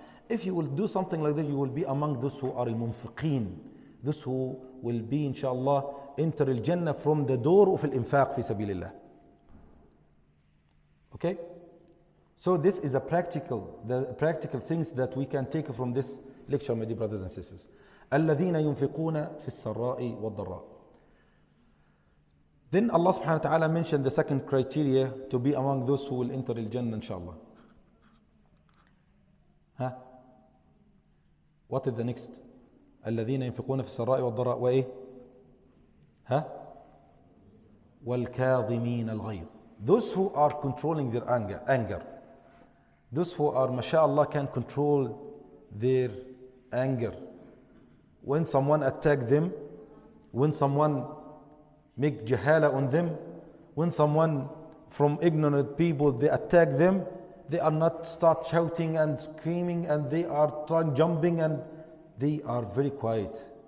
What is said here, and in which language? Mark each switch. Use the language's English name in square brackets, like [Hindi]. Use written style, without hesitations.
[English] If you will do something like that, you will be among those who are al-munfiqeen, those who will be inshallah enter al-jannah from the door of al-infaq fi sabilillah. Okay, so this is the practical things that we can take from this lecture, my dear brothers and sisters. [Arabic] الذين ينفقون في السراء والضراء. [English] Then Allah subhanahu wa ta'ala mentioned the second criteria to be among those who will enter the Jannah, inshallah. What is the next? [Arabic] الذين ينفقون في السراء والضراء وإيه؟ والكاظمين الغيظ. [English] Those who are controlling their anger. Those who are, mashallah, can control their anger. When someone attack them, when someone make jahala on them, when someone from ignorant people, they attack them, they are not start shouting and screaming and they are trying jumping and they are very quiet.